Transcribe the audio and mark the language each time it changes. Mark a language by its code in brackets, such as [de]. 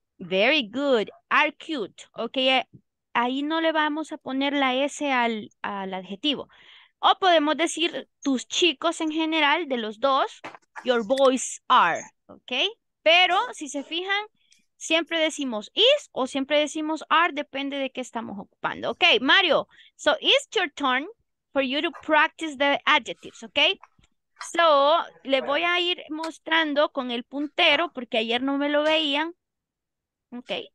[en] Very good. Are cute. [es] Ok. Ahí no le vamos a poner la S al adjetivo. O podemos decir tus chicos en general, de los dos, [en] your boys are. [es] Ok. Pero si se fijan, siempre decimos is o siempre decimos are, depende de qué estamos ocupando. Ok, Mario. [en] So it's your turn for you to practice the adjectives. Ok. [es] So le voy a ir mostrando con el puntero porque ayer no me lo veían. Ok.